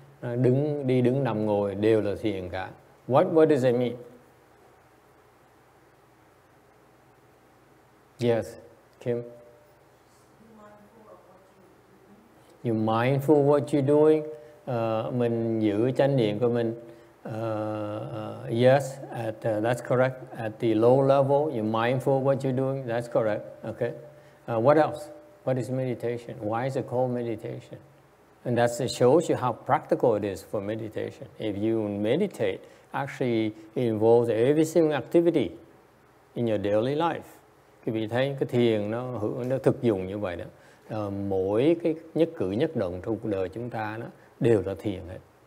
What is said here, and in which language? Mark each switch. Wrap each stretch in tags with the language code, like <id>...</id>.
<vi>Đứng, đi đứng, nằm ngồi đều là thiền cả.</vi> <en>What does it mean? Yes, Kim. You're mindful of what you're doing.</en> <vi>Mình giữ chánh niệm của mình.</vi> <en>That's correct. At the low level, you're mindful of what you're doing. That's correct. Okay. What else? What is meditation? Why is it called meditation? And that shows you how practical it is for meditation. If you meditate, actually involves every single activity in your daily life.</en> <vi>Quý vị thấy cái thiền nó thực dụng như vậy đó. Mỗi cái nhất cử nhất động trong cuộc đời chúng ta nó đều là thiền hết.</vi>